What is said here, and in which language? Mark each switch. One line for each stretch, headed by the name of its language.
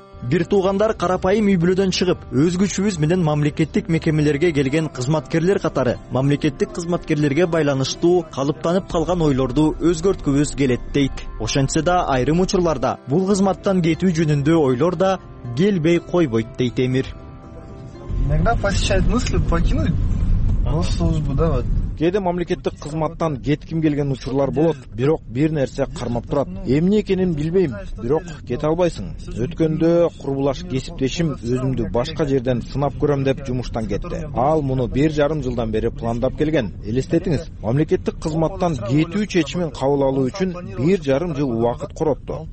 Kyrgyz: Бир туугандар карапайым үй бүлөдөн чыгып, өз күчүбүз менен мамлекеттик мекемелерге келген кызматкерлер катары мамлекеттик кызматкерлерге байланыштуу калыптанып калган ойлорду өзгөрткүбүз келет дейт. Ошентсе да айрым учурларда бул кызматтан кетүү жөнүндө ойлор да келбей койбойт, дейт Эмир.
Russian: Иногда посещает мысль покинуть службу, да, вот.
Kyrgyz: Кээде мамлекеттик кызматтан кетким келген учурлар болот, бирок бир нерсе кармап турат. Эмне экенин билбейм, бирок кете албайсың. Өткөндө курбулаш кесиптешим өзүмдү башка жерден сынап көрөм деп жумуштан кетти. Ал муну 1.5 жылдан бери пландап келген. Элестетиңиз, мамлекеттик кызматтан кетүү чечимин кабыл алуу үчүн 1.5 жыл убакыт коротту.